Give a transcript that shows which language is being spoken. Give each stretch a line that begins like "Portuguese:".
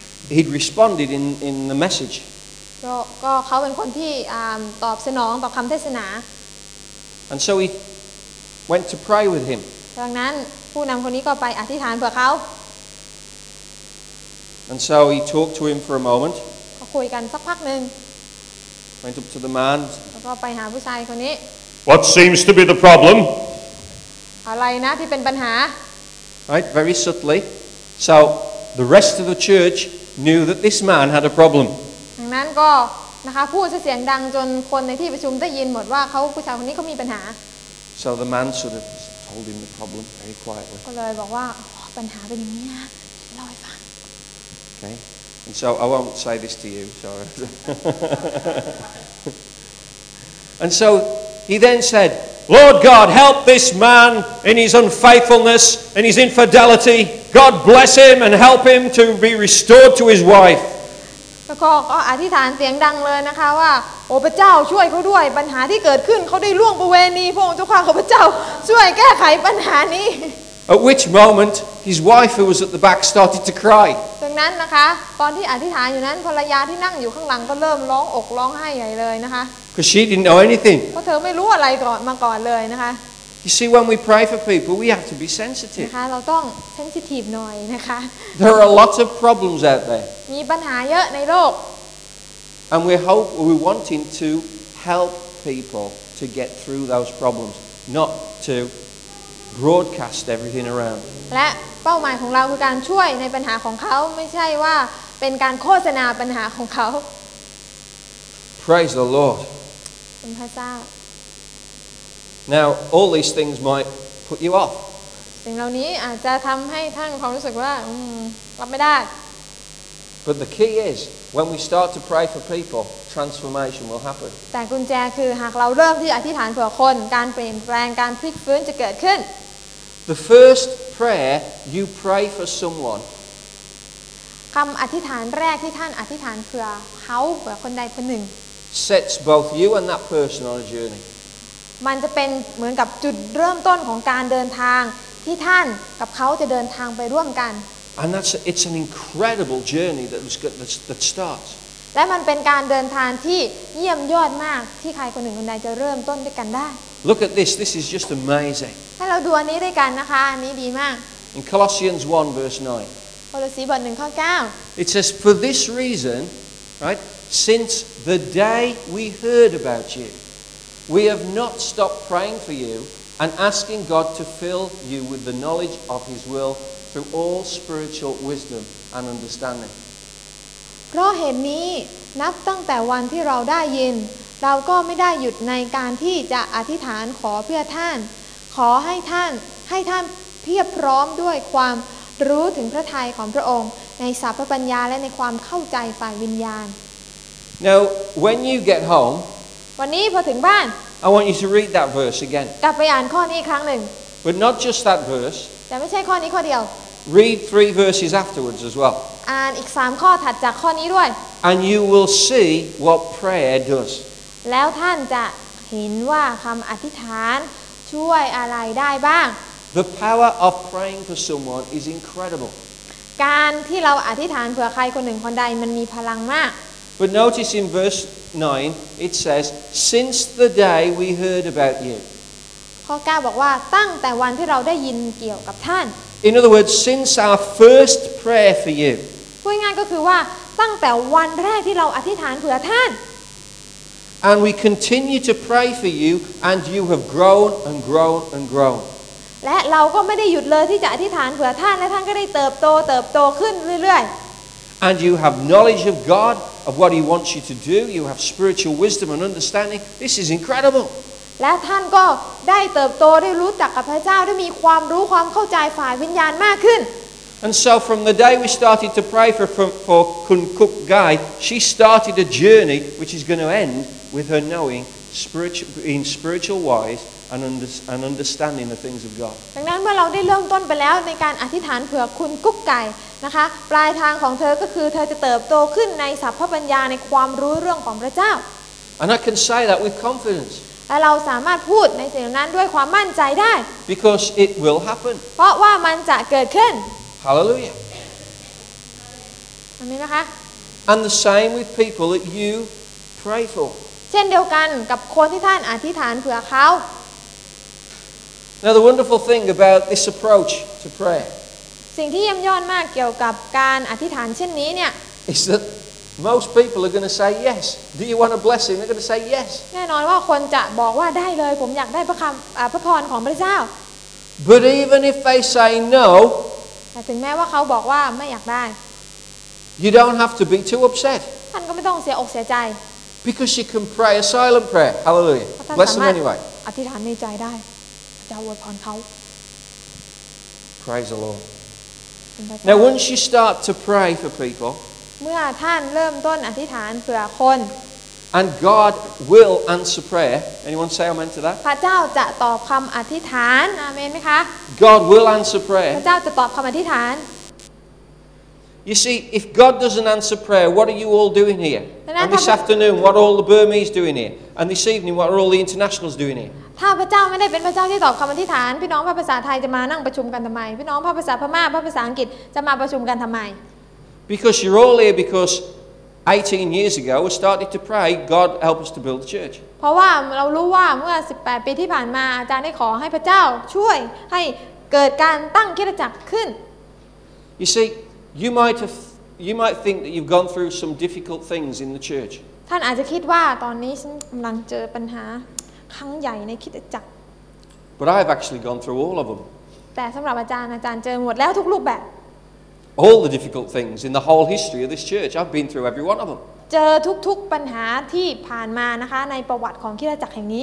English: Andhe'd responded in the message.
Thai: ก็เขาเป็นคนที่ตอบสนองต่อคำเทศนา
English: And so he went to pray with him.
Thai: ดังนั้นผู้นำคนนี้ก็ไปอธิษฐานเพื่อเขา
English: And so he talked to him for a moment.
Thai: ก็คุยกันสักพักนึง
English: Went up to the man.
Thai: แล้วก็ไปหาผู้ชายคนนี้
English: What seems to be the problem?
Thai: อะไรนะที่เป็นปัญหา
English: Right, very subtly. So. The rest of the church knew that this man had a problem.
Thai: ดังนั้นก็นะคะพูดเสียงดังจนคนในที่ประชุมได้ยินหมดว่าเขาผู้ชายคนนี้เขามีปัญหา
English: So the man sort of told him the problem very quietly.
Thai: ก็เลยบอกว่าปัญหาเป็นอย่างนี้นะเล่าให้ฟัง
English: Okay. And so I won't say this to you. Sorry. And so he then said, "Lord God, help this man in his unfaithfulness and his infidelity." God bless him and help him to be restored to his wife.
Thai: แล้วก็อธิษฐานเสียงดังเลยนะคะว่าโอ้พระเจ้าช่วยเขาด้วยปัญหาที่เกิดขึ้นเขาได้ล่วงประเวณีพระองค์เจ้าข้าพระเจ้าช่วยแก้ไขปัญหานี้
English: At which moment his wife who was at the back started to cry.
Thai: ดังนั้นนะคะตอนที่อธิษฐานอยู่นั้นภรรยาที่นั่งอยู่ข้างหลังก็เริ่มร้องอกร้องไห้ใหญ่เลยนะคะ
English: Because she didn't know anything.
Thai: เพราะเธอไม่รู้อะไรก่อนมาก่อนเลยนะคะ
English: You see, when we pray for people, we have to be sensitive.
Thai: นะคะ เราต้อง sensitive หน่อยนะคะ
English: There are lots of problems out there.
Thai: มีปัญหาเยอะในโลก
English: And we're wanting to help people to get through those problems, not to broadcast everything around.
Thai: และเป้าหมายของเราคือการช่วยในปัญหาของเขาไม่ใช่ว่าเป็นการโฆษณาปัญหาของเขา
English: Praise the Lord.
Thai: ขอบพระเจ้า
English: Now all these things might put you off.
Thai: สิ่งเหล่านี้อาจจะทำให้ท่านความรู้สึกว่ารับไม่ได้
English: But the key is when we start to pray for people, transformation will happen.
Thai: แต่กุญแจคือหากเราเริ่มที่อธิษฐานเผื่อคนการเปลี่ยนแปลงการพลิกฟื้นจะเกิดขึ้น
English: The first pr- prayer you pray for someone
Thai: คำอธิษฐานแรกที่ท่านอธิษฐานเพื่อเขาเพื่อคนใดคนหนึ่ง
English: sets both you and that person on a journey
Thai: มันจะเป็นเหมือนกับจุดเริ่มต้นของการเดินทางที่ท่านกับเขาจะเดินทางไปร่วมกัน
English: and that's it's an incredible journey that starts
Thai: และมันเป็นการเดินทางที่เยี่ยมยอดมากที่ใครคนหนึ่งคนใดจะเริ่มต้นด้วยกันได้
English: Look at this. This is just amazing.
Thai: ให้เราดูอันนี้ด้วยกันนะคะอันนี้ดีมาก
English: In Colossians 1 verse 9.
Thai: โคโลสีบทหนึ่งข้อ9
English: It says for this reason, right? Since the day we heard about you, we have not stopped praying for you and asking God to fill you with the knowledge of His will through all spiritual wisdom and understanding.
Thai: เพราะเหตุนี้นับตั้งแต่วันที่เราได้ยินเราก็ไม่ได้หยุดในการที่จะอธิษฐานขอเพื่อท่านขอให้ท่านให้ท่านเพียบพร้อมด้วยความรู้ถึงพระทัยของพระองค์ในสรรพปัญญาและในความเข้าใจฝ่ายวิญญาณ
English: Now when you get home
Thai: วันนี้พอถึงบ้าน
English: I want you to read that verse again
Thai: กลับไปอ่านข้อนี้ครั้งหนึ่ง
English: But not just that verse
Thai: แต่ไม่ใช่ข้อนี้ข้อเดียว
English: Read 3 verses afterwards as well
Thai: อ่านอีก3ข้อถัดจากข้อนี้ด้วย
English: And you will see what prayer does
Thai: แล้วท่านจะเห็นว่าคำอธิษฐานช่วยอะไรได้บ้าง
English: The power of praying for someone is incredible
Thai: การที่เราอธิษฐานเผื่อใครคนหนึ่งคนใดมันมีพลังมาก
English: But notice in verse 9 it says since the day we heard about you
Thai: ข้อ9บอกว่าตั้งแต่วันที่เราได้ยินเกี่ยวกับท่าน
English: In other words, since our first prayer for you.
Thai: พูดง่ายก็คือว่าตั้งแต่วันแรกที่เราอธิษฐานเผื่อท่าน
English: And we continue to pray for you, and you have grown and grown and grown.
Thai: และเราก็ไม่ได้หยุดเลยที่จะอธิษฐานเผื่อท่านและท่านก็ได้เติบโตขึ้นเรื่อย
English: ๆ And you have knowledge of God, of what He wants you to do. You have spiritual wisdom and understanding. This is incredible.
Thai: และท่านก็ได้เติบโตได้รู้จักกับพระเจ้าได้มีความรู้ความเข้าใจฝ่ายวิญญาณมากขึ้น
English: And so from the day we started to pray for Kun Kuk Gai she started a journey which is going to end with her knowing spiritual wise and understanding the things of God
Thai: ดังนั้นเมื่อเราได้เริ่มต้นไปแล้วในการอธิษฐานเผื่อคุณกุ๊กไก่นะคะปลายทางของเธอก็คือเธอจะเติบโตขึ้นในสัพพปัญญาในความรู้เรื่องของพระเจ้า
English: And I can say that with confidence
Thai: และเราสามารถพูดในสิ่งนั้นด้วยความมั่นใจได้
English: Because it will happen
Thai: เพราะว่ามันจะเกิดขึ้น
English: Hallelujah
Thai: Amen นะคะ
English: And the same with people that you pray for
Thai: เช่นเดียวกันกับคนที่ท่านอธิษฐานเผื่อเขา
English: Now the wonderful thing about this approach to prayer
Thai: สิ่งที่เยี่ยมยอดมากเกี่ยวกับการอธิษฐานเช่นนี้เนี่ย
English: Is thatMost people are going to say yes. Do you want a blessing? They're going to say yes.
Thai: แน่นอนว่าคนจะบอกว่าได้เลยผมอยากได้พระพรของพระเจ้า
English: But even if they say no,
Thai: แต่ถึงแม้ว่าเขาบอกว่าไม่อยากได้
English: You don't have to be too upset.
Thai: ท่านก็ไม่ต้องเสียอกเสียใจ
English: Because you can pray a silent prayer. Hallelujah. Bless them anyway.
Thai: อธิษฐานในใจได้พระเจ้าอวยพรเขา
English: Praise the Lord. Now, once you start to pray for people.
Thai: เมื่อท่านเริ่มต้นอธิษฐานเผื่อคน
English: And God will answer prayer. Anyone say amen to that?
Thai: พระเจ้าจะตอบคำอธิษฐานอาเมนไหมคะ
English: God will answer prayer.
Thai: พระเจ้าจะตอบคำอธิษฐาน
English: You see, if God doesn't answer prayer, what are you all doing here? And this afternoon, what are all the Burmese doing here? And this evening, what are all the internationals doing here?
Thai: ถ้าพระเจ้าไม่ได้เป็นพระเจ้าที่ตอบคำอธิษฐานพี่น้องภาษาไทยจะมานั่งประชุมกันทำไมพี่น้องภาษาพม่าภาษาอังกฤษจะมาประชุมกันทำไม
English: Because you're all here because 18 years ago we started to pray, God help us to build the church.
Thai: เพราะว่าเรารู้ว่าเมื่อ18ปีที่ผ่านมาอาจารย์ได้ขอให้พระเจ้าช่วยให้เกิดการตั้งคริสตจักรขึ้น
English: You see, you might think that you've gone through some difficult things in the church.
Thai: ท่านอาจจะคิดว่าตอนนี้ฉันกำลังเจอปัญหาครั้งใหญ่ในคริสตจักร
English: But I've actually gone through all of them.
Thai: แต่สำหรับอาจารย์เจอหมดแล้วทุกรูปแบบ
English: All the difficult things in the whole history of this church, I've been through every one of them.
Thai: เจอทุกปัญหาที่ผ่านมานะคะในประวัติของคริสตจักรแห่งนี